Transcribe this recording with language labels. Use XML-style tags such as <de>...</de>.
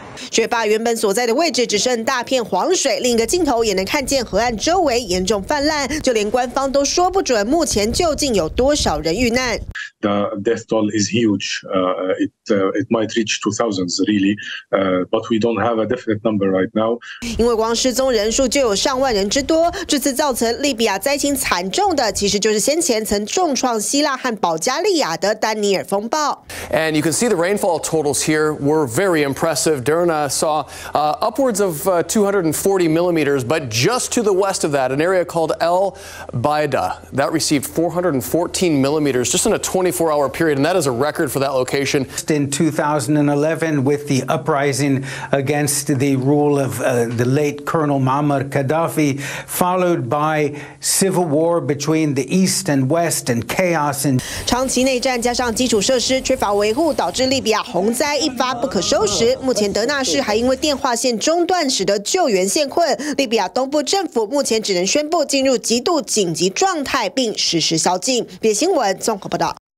<zh>雪坝原本所在的位置只剩大片黄水，另一个镜头也能看见河岸周围严重泛滥，就连官方都说不准目前究竟有多少人遇难。</zh> <en>The death toll is huge. It might reach to thousands, really. But we don't have a definite number right now.</en> <zh>因为光失踪人数就有上万人之多，这次造成利比亚灾情惨重的，其实就是先前曾重创希腊和保加利亚的丹尼尔风暴。</zh> <en>And you can see the rainfall totals here were very impressive. Derna saw upwards of 240 millimeters, but just to the west of that, an area called El Baida that received 414 millimeters, just in a 24-hour period, and that is a record for that location. In 2011, with the uprising against the rule of the late Colonel Muammar Gaddafi, followed by civil war between the east and west and chaos.</en> <zh>长期内战加上基础设施缺乏维护，导致利比亚洪灾一发不可收拾。目前德纳市还因为电话线中断，使得救援陷困。利比亚东部政府目前只能宣布进入极度紧急状态，并实施宵禁。别新闻综合报道。</zh>